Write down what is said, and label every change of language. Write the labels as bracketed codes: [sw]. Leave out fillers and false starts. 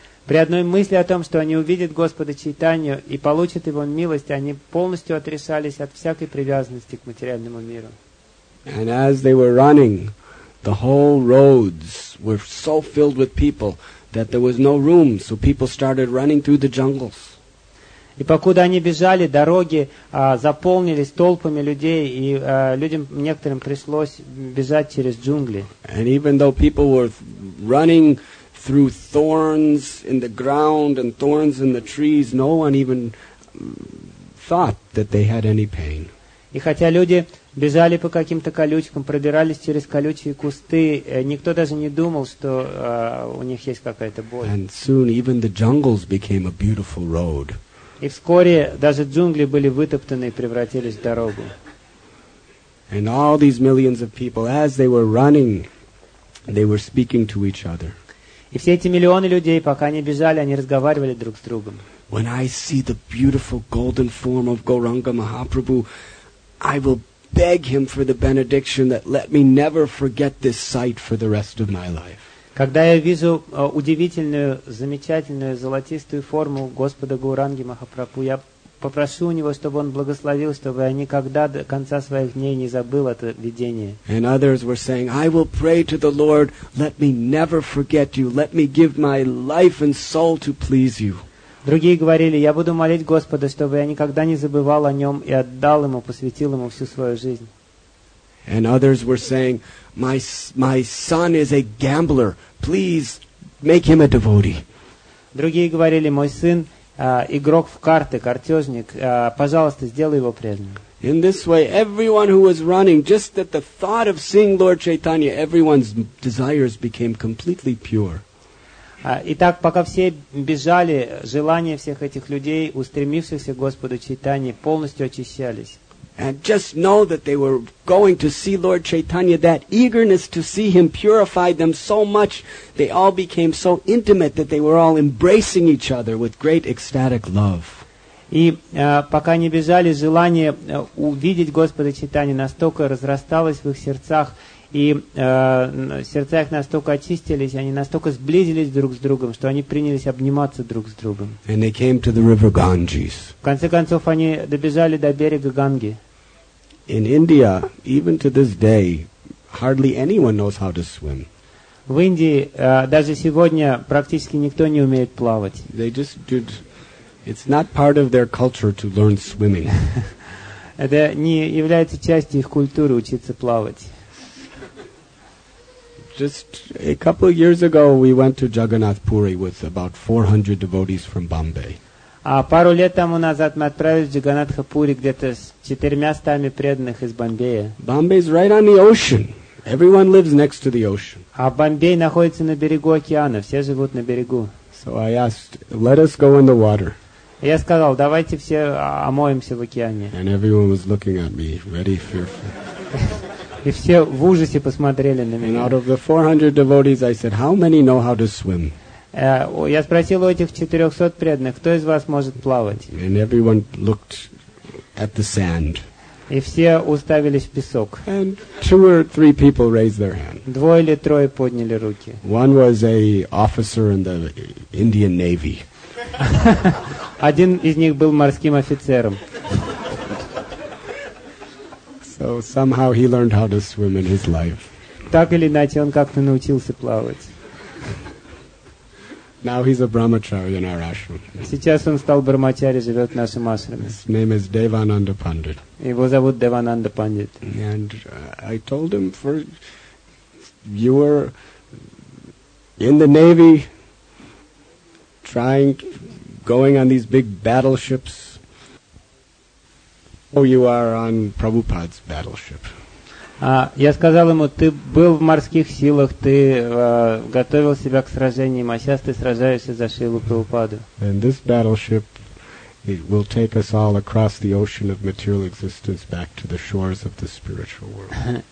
[ru] При одной мысли о том, что они увидят Господа Чайтанью и получат его милость, они полностью отрешались от всякой привязанности к материальному миру. [en] And as they were running, the whole roads were so filled with people that there was no room, so people started running through the jungles. [ru] И покуда они бежали, дороги заполнились толпами людей, и людям некоторым пришлось бежать через джунгли. [en] And even though people were running through thorns in the ground and thorns in the trees, no one even thought that they had any pain. [ru] И хотя люди бежали по каким-то колючкам, пробирались через колючие кусты, никто даже не думал, что у них есть какая-то боль. [en] And soon even the jungles became a beautiful road. [ru] И вскоре даже джунгли были вытоптаны и превратились в дорогу. [en] And all these millions of people, as they were running, they were speaking to each other. [ru] И все эти миллионы людей, пока они бежали, они разговаривали друг с другом. [en] When I see the beautiful golden form of Gauranga Mahaprabhu, I will beg him for the benediction that let me never forget this sight for the rest of my life. [ru] Когда я вижу удивительную, замечательную, золотистую форму Господа Гауранги Махапрабху, я попрошу у него, чтобы он благословил, чтобы я никогда до конца своих дней не забыл это видение. [en] And others were saying, "I will pray to the Lord, let me never forget you, let me give my life and soul to please you." [ru] Другие говорили: "Я буду молить Господа, чтобы я никогда не забывал о нем и отдал ему, посвятил ему всю свою жизнь." Другие говорили: "Мой сын игрок в карты, картежник, пожалуйста, сделай его преданным." [en] In this way, everyone who was running, just at the thought of seeing Lord Chaitanya, everyone's desires became completely pure. [ru] Итак, пока все бежали, желания всех этих людей, устремившихся к Господу Чайтанье, полностью очищались. [en] And just know that they were going to see Lord Chaitanya. That eagerness to see him purified them so much, they all became so intimate that they were all embracing each other with great ecstatic love. [ru] И пока они бежали, желание увидеть Господа Чайтанью настолько разрасталось в их сердцах, и сердца их настолько очистились, они настолько сблизились друг с другом, что они принялись обниматься друг с другом. [en] And they came to the river Ganges. [ru] В конце концов, они добежали до берега Ганги. [en] In India, even to this day, hardly anyone knows how to swim. [ru] В Индии даже сегодня практически никто не умеет плавать. [en] They just did. It's not part of their culture to learn swimming. [ru] Это не является частью их культуры учиться плавать. [en] Just a couple of years ago, we went to Jagannath Puri with about 400 devotees from Bombay. [ru] А пару лет тому назад мы отправились в Джаганатха-пури где-то с 400 преданных из Бомбея. [en] Bombay is right on the ocean. Everyone lives next to the ocean. [ru] А Бомбей находится на берегу океана. Все живут на берегу. [en] So I asked, let us go in the water. [ru] Я сказал, давайте все омоемся в океане. [en] And everyone was looking at me, very fearful. [ru] И все в ужасе посмотрели на меня. [en] And out of the 400 devotees, I said, how many know how to swim? [ru] Я спросил у этих 400 преданных, кто из вас может плавать? [en] And everyone looked at the sand. [ru] И все уставились в песок. [en] And two or three people raised their hand. [ru] Двое или трое подняли руки. [en] One was a officer in the Indian Navy. [ru] Один из них был морским офицером. [en] So somehow he learned how to swim in his life. [ru] Так или иначе, он как-то научился плавать. [en] Now he's a brahmacharya in our ashram. [ru] Сейчас он стал брахмачари, живет в нашем ашраме. [en] His name is Devananda Pandit. [ru] Его зовут Девананда Пандит. [en] And I told him, for you were in the navy, trying, going on these big battleships. Oh, you are on Prabhupada's battleship. [ru] Я сказал ему, ты был в морских силах, ты готовил себя к сражениям, а сейчас ты сражаешься за Шрилу Прабхупаду. [en] And this battleship, it will take us all across the ocean of material existence back to the shores of the spiritual world.